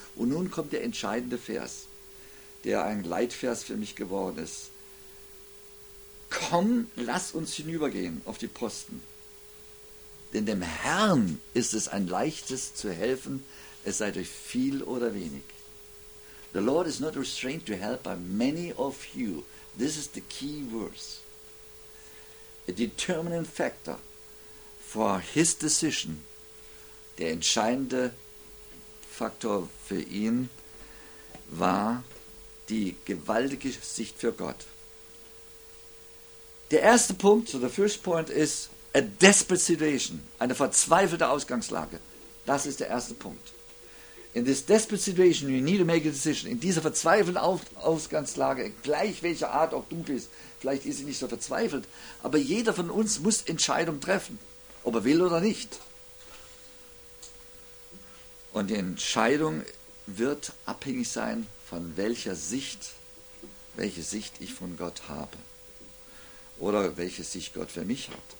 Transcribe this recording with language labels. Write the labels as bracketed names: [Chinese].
[German] Und nun kommt der entscheidende Vers, der ein Leitvers für mich geworden ist. Komm, lass uns hinübergehen auf die Posten. Denn dem Herrn ist es ein leichtes zu helfen, es sei durch viel oder wenig. [English] The Lord is not restrained to help by many of you. This is the key verse. A determining factor for his decision. [German] Der entscheidende Faktor für ihn war die gewaltige Sicht für Gott. Der erste Punkt, [English] so the first point is a desperate situation, [German] eine verzweifelte Ausgangslage. Das ist der erste Punkt. [English] In this desperate situation, you need to make a decision. [German] In dieser verzweifelten Ausgangslage, gleich welcher Art auch du bist, vielleicht ist sie nicht so verzweifelt, aber jeder von uns muss Entscheidungen treffen, ob er will oder nicht. Und die Entscheidung wird abhängig sein, von welcher Sicht, welche Sicht ich von Gott habe oder welche Sicht Gott für mich hat.